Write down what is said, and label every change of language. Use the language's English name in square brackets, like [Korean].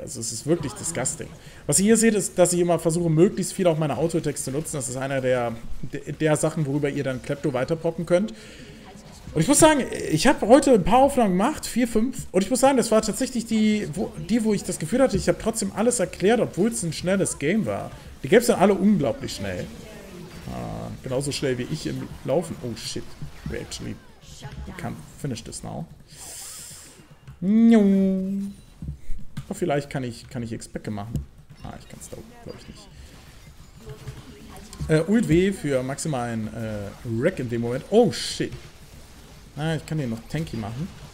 [German] Also es ist wirklich disgusting. Was ihr hier seht, ist, dass ich immer versuche, möglichst viel auch meine Auto-Attacks zu nutzen. Das ist einer der Sachen, worüber ihr dann Klepto weiterpocken könnt. Und ich muss sagen, ich habe heute ein paar Aufnahmen gemacht, 4, 5. Und ich muss sagen, das war tatsächlich wo ich das Gefühl hatte, ich habe trotzdem alles erklärt, obwohl es ein schnelles Game war. Die Games sind alle unglaublich schnell. Genauso schnell wie ich im Laufen. [English] Oh shit. We actually can't finish this now. [German] Oh, vielleicht kann ich X-Backe machen. Ah, ich kann es da, glaube ich, nicht. Ult W für maximalen Wreck in dem Moment. Oh shit. Ah, ich kann den noch tanky machen.